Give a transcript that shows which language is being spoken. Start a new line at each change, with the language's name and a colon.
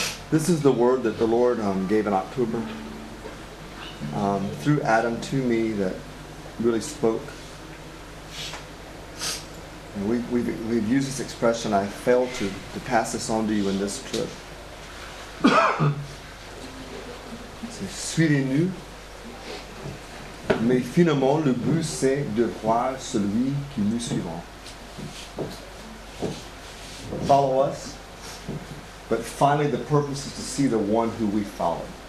English: This is the word that the Lord gave in October through Adam to me that really spoke. And we've used this expression, I fail to pass this on to you in this trip.
French: C'est suivez nous, mais finalement le but c'est de voir celui qui nous suivra.
English: Follow us. But finally, the purpose is to see the one who we follow.